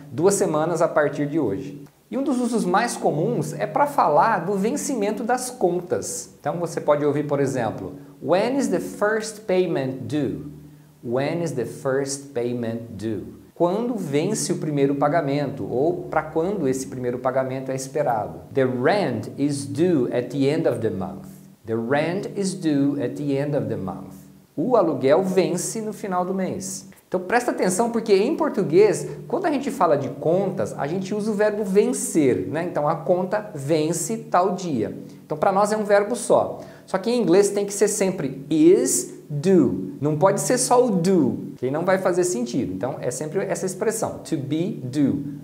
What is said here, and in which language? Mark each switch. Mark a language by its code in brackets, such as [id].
[pt] 2 semanas a partir de hoje. E um dos usos mais comuns é para falar do vencimento das contas. Então você pode ouvir, por exemplo: [en] When is the first payment due? When is the first payment due? [pt] Quando vence o primeiro pagamento ou para quando esse primeiro pagamento é esperado. [en] The rent is due at the end of the month. The rent is due at the end of the month. [pt] O aluguel vence no final do mês. Então presta atenção porque em português, quando a gente fala de contas, a gente usa o verbo vencer, né? Então a conta vence tal dia. Então para nós é um verbo só. Só que em inglês tem que ser sempre is, do. Não pode ser só o do, que não vai fazer sentido. Então é sempre essa expressão, to be, do.